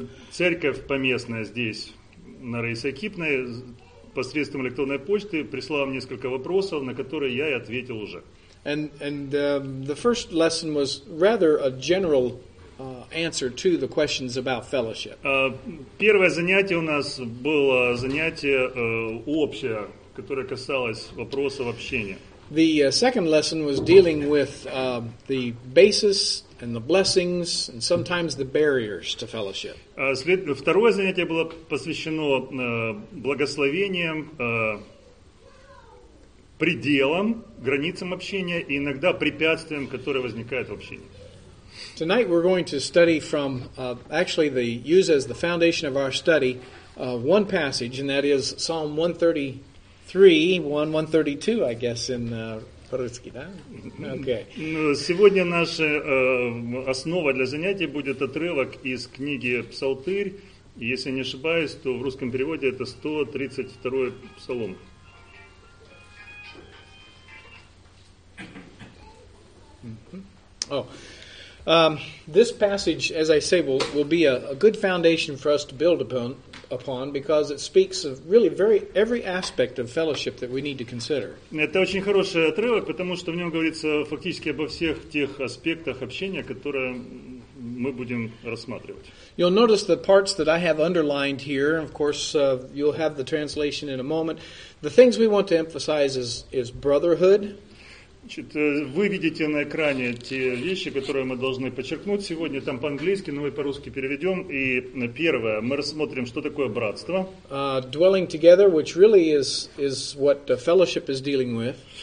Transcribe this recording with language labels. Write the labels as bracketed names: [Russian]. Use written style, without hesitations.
[Russian] Церковь поместная здесь, на Рейсакипной, посредством электронной почты прислала несколько вопросов, на которые я и ответил уже. [English] And the first lesson was rather a general answer to the questions about fellowship. [Russian] Первое занятие у нас было занятие общее, которая касалась вопросов общения. [English] The second lesson was dealing with the basis and the blessings and sometimes the barriers to fellowship. [Russian] Второе занятие было посвящено благословениям, пределам, границам общения и иногда препятствиям, которые возникают в общении. [English] Tonight we're going to study from use as the foundation of our study one passage, and that is Psalm 132, I guess, in [Russian] по-русски, да? [English] Okay. [Russian] Сегодня наша основа для занятий будет отрывок из книги Псалтырь. Если не ошибаюсь, то в русском переводе это 132-й псалом. Oh. [English] This passage, as I say, will be a good foundation for us to build upon because it speaks of really very every aspect of fellowship that we need to consider. [Russian] Это очень хороший отрывок, потому что в нем говорится фактически обо всех тех аспектах общения, которые мы будем рассматривать. [English] You'll notice the parts that I have underlined here. Of course, you'll have the translation in a moment. The things we want to emphasize is brotherhood. [Russian] Значит, вы видите на экране те вещи, которые мы должны подчеркнуть сегодня. Там по-английски, но мы по-русски переведем. И первое, мы рассмотрим, что такое братство. [English] Dwelling together, which really is what fellowship is dealing with.